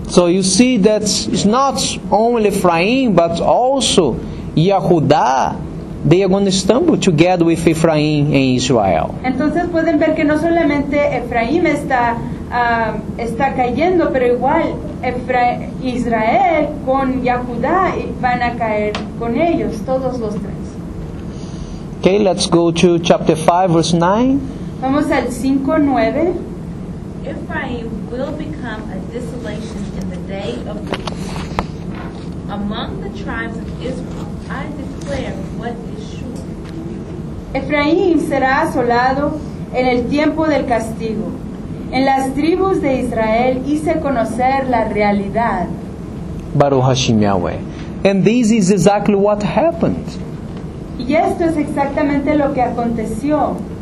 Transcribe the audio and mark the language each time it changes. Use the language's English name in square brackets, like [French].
[English] So you see that it's not only Ephraim, but also Yehudah. They are going to stumble together with Ephraim and Israel. [Spanish] Entonces pueden ver que no solamente Ephraim está cayendo, pero igual Israel con Yehudá van a caer con ellos, todos los tres. [English] Okay, let's go to chapter 5, verse 9. [Spanish] Vamos al 5:9. [English] Ephraim will become a desolation in the day of grief. Among the tribes of Israel, I declare what [Spanish] Efraín será asolado en el tiempo del castigo. En las tribus de Israel hice conocer la realidad. [Hebrew] Baruch Hashem Yahweh. [English] And this is exactly what happened. [Spanish] Y esto es exactamente lo que aconteció.